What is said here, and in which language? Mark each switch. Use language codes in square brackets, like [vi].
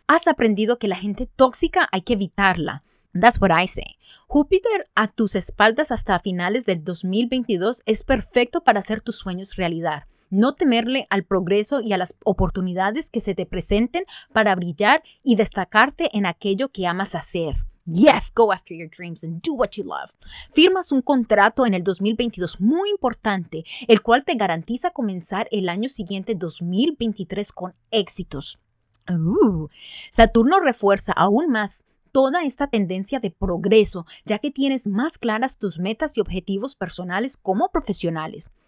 [es] Has aprendido que la gente tóxica hay que evitarla. [en] That's what I say. [es] Júpiter a tus espaldas hasta finales del 2022 es perfecto para hacer tus sueños realidad. No temerle al progreso y a las oportunidades que se te presenten para brillar y destacarte en aquello que amas hacer. [en] Yes, go after your dreams and do what you love. [es] Firmas un contrato en el 2022 muy importante, el cual te garantiza comenzar el año siguiente 2023 con éxitos. Saturno refuerza aún más toda esta tendencia de progreso, ya que tienes más claras tus metas y objetivos personales como profesionales.